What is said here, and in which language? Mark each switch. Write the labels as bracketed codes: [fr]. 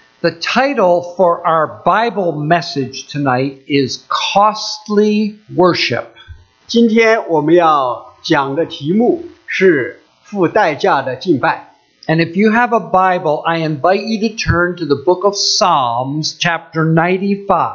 [en] title for our Bible message tonight is Costly Worship. [zh] 今天我们要讲的题目是付代价的敬拜。 [en] And if you have a Bible, I invite you to turn to the book of Psalms, chapter 95.